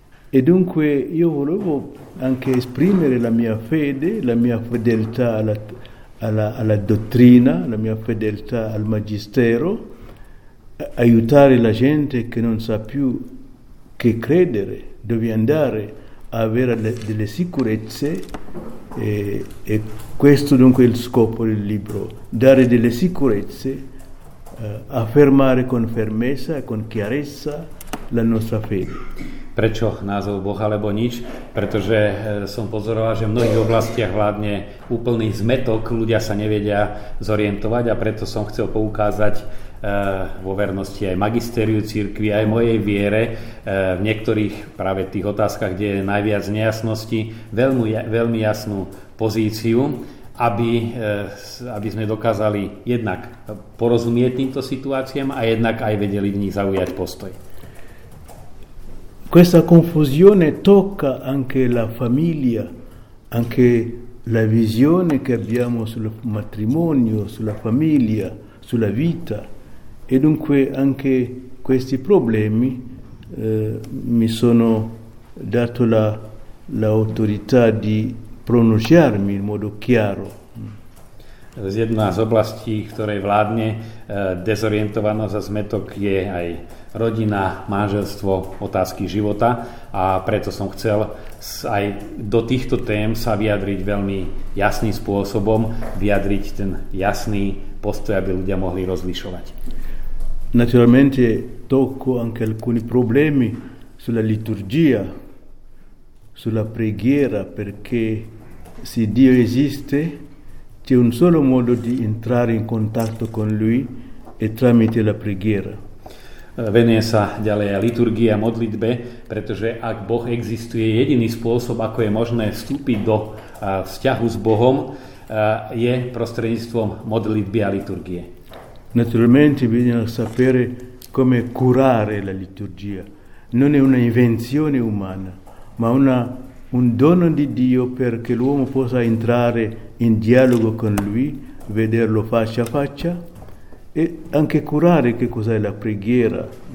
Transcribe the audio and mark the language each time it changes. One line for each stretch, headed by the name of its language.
Italian: E dunque io volevo anche esprimere la mia fede, la mia fedeltà alla dottrina, la mia fedeltà al Magistero, aiutare la gente che non sa più che credere, dove andare, avere delle sicurezze. E questo dunque è il scopo del libro, dare delle sicurezze, affermare con fermezza e con chiarezza la nostra fede.
Slovak: Prečo názov Boh alebo nič? Pretože som pozoroval, že v mnohých oblastiach vládne úplný zmetok, ľudia sa nevedia zorientovať a preto som chcel poukázať vo vernosti aj magisteriu cirkvi, aj mojej viere. V niektorých práve tých otázkach, kde je najviac nejasnosti, veľmi jasnú pozíciu, aby sme dokázali jednak porozumieť týmto situáciám a jednak aj vedeli v nich zaujať postoj.
Italian: Questa confusione tocca anche la famiglia, anche la visione che abbiamo sul matrimonio, sulla famiglia, sulla vita. E dunque anche questi problemi mi sono dato l'autorità di pronunciarmi in modo chiaro.
Slovak: Jedna z oblastí, ktorej vládne dezorientovanosť a zmetok, je aj rodina, manželstvo, otázky života. A preto som chcel aj do týchto tém sa vyjadriť veľmi jasným spôsobom, vyjadriť ten jasný postoj, aby ľudia mohli rozlišovať.
Italian: Naturalmente tocco anche alcuni problemi sulla liturgia, sulla preghiera, perché se Dio esiste c'è un solo modo di entrare in contatto con Lui e tramite la preghiera.
Slovak: Venuje sa ďalej liturgia, modlitbe, pretože ak Boh existuje, jediný spôsob, ako je možné vstúpiť do vzťahu s Bohom, je prostredníctvom modlitby a liturgie.
Italian: Naturalmente bisogna sapere come curare la liturgia. Non è una invenzione umana, ma una un dono di Dio perché l'uomo possa entrare in dialogo con lui, vederlo faccia a faccia e anche curare che cos'è la preghiera.